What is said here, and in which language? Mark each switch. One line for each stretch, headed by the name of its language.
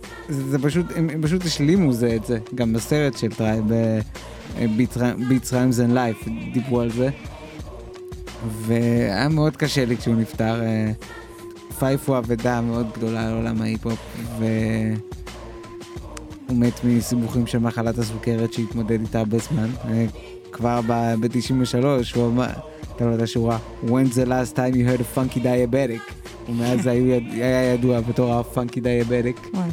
Hebrew: זה פשוט, הם פשוט השלימו זה את זה. גם בסרט של טרייב, Beats Rhymes and Life, דיברו על זה. והיה מאוד קשה לי כשהוא נפטר. פייף הוא עבדה מאוד גדולה על עולם ההיפ-הופ, והוא מת מסיבוכים של מחלת הסוכרת שהתמודד איתה בזמן. כבר ב-93, הוא אמר, אתה לא יודע שורה,
English: When the last time you heard a funky diabetic?
Hebrew: ומאז זה היה ידוע בתור הפאנקי דייבדיק.